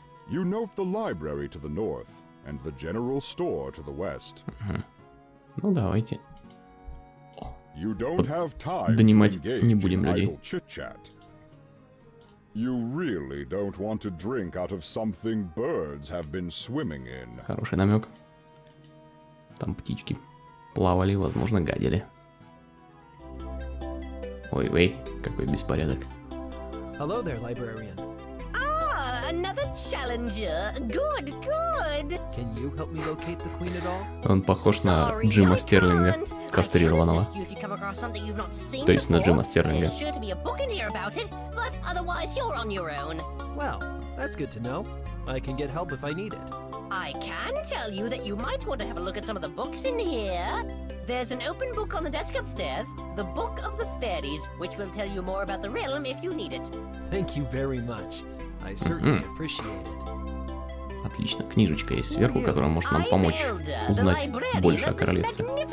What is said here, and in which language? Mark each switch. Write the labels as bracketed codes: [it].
[en] You note the library to the north, and the general store to the west. [ru] Ну давайте. [en] You don't have time to engage in idle chit-chat. You really don't want to drink out of something birds have been swimming in. [ru] Хороший намек. Там птички плавали, возможно, гадили. Ой-ой, какой беспорядок. [en] Hello there, librarian. Another challenger. Good, good. Can you help me locate the queen at all? [ru] Он похож на Джима Стерлинга, кастрированного. То есть на Джима Стерлинга. [en] Sure to be a book in here about it, but otherwise you're on your own. Well, that's good to know. I can get help if I need it. I can tell you that you might want to have a look at some of the books in here. There's an open book on the desk upstairs, the Book of the Fairies, which will tell you more about the realm if you need it. Thank you very much. I certainly appreciate it. [ru] Отлично, книжечка есть сверху, которая может нам помочь узнать больше о королевстве.